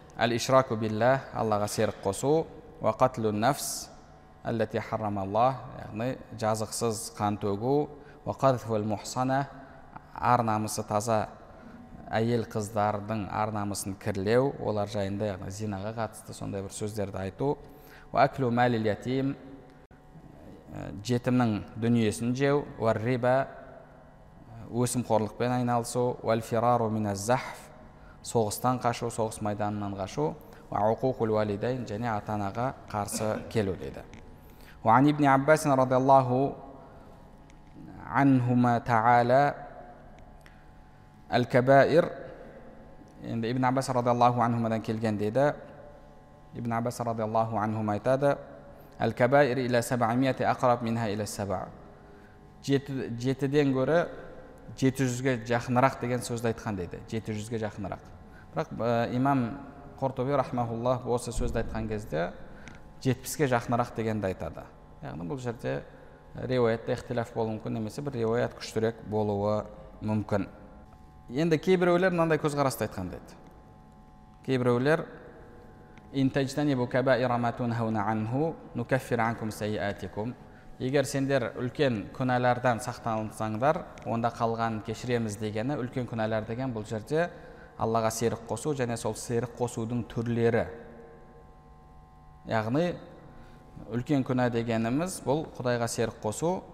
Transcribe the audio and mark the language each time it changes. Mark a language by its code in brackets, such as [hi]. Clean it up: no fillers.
[ar] Әл-ишраку биллах, [kk] Аллаға серік қосу, [ar] ва қатлу нафс, әлләти харрам Аллах, [kk] яғни жазықсыз қан төгу, [ar] ва қадфул мухсана, [kk] ар намысы таза әйел қыздардың ар намысын кірлеу, олар жайында яғни зинаға қатысты сондай бір сөздерді айту, [ar] ва аклу мәлил ятим, [kk] жетімнің дүниесін жеу, [ar] ва риба, [kk] өсімқорлықпен айналысу, [ar] ва фирару мин аз-захф, [kk] соғыстан қашу, соғыс майданынан қашу, [ar] ва уқуқул валидайн, [kk] және ата-анаға қарсы келу дейді. [ar] Ва ан ибн Аббас радиаллаху анхума тааля аль-кабаир. [kk] Енді ибн Аббас радиаллаху анхумадан келген дейді. Ибн Аббас радиаллаху анхум айтады: [ar] "Аль-кабаир иля 700 ақраб минха иля 7". [kk] 7-ден гөрі 700-ге жақынырақ деген сөзді айтқан дейді. 700-ге жақынырақ. Бірақ имам Қортуби рахмаһуллаһ осы сөзді айтқан кезде 70-ге жақынырақ дегенді айтады. Яғни бұл жерде риуаятта ихтилаф болуы мүмкін, немесе бір риуаят күштірек болуы мүмкін. Енді кейбіреулер мынандай көзқарасты айтқан дейді. Кейбіреулер [ar] إن تجتنبوا كبائر ما تنهون عنه نكفر عنكم سيئاتكم. [kk] Егер сендер үлкен күнәләрдән сақтансаңдар, онда қалған кешіреміз дегені, үлкен күнәләр деген бұл жерде Аллаға серік қосу және сол серік қосудың түрлері. Яғни үлкен күнә дегеніміз бұл Құдайға серік қосу.